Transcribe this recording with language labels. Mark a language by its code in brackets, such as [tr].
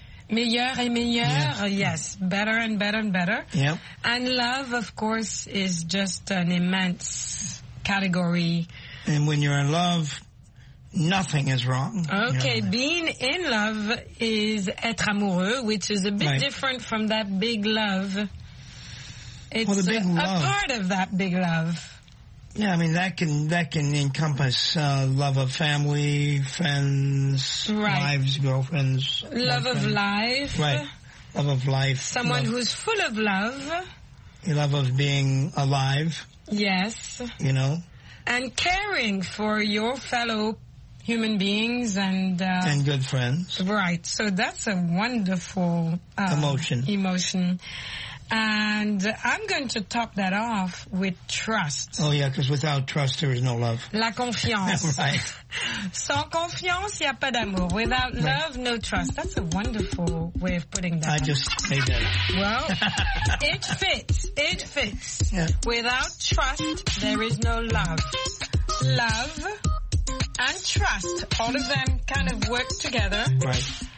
[fr] Meilleur et meilleur, [en] yes. Better and better and better. Yep. And love, of course, is just an immense category. And when you're in love, nothing is wrong. Okay, being in love is [fr] être amoureux, [en] which is a bit different from that big love. It's a part of that big love. Yeah, I mean, that can encompass love of family, friends, wives, girlfriends. Love of life. Right. Love of life. Someone who's full of love. The love of being alive. Yes. You know. And caring for your fellow human beings and... And good friends. Right. So that's a wonderful... Emotion. Emotion. And I'm going to top that off with trust. Oh, yeah, because without trust, there is no love. [fr] La confiance. [en] right. [fr] Sans confiance, il n'y a pas d'amour. [en] Without love, no trust. That's a wonderful way of putting that. I just made that. Well, it fits. It fits. Yeah. Without trust, there is no love. Love and trust, all of them kind of work together. Right.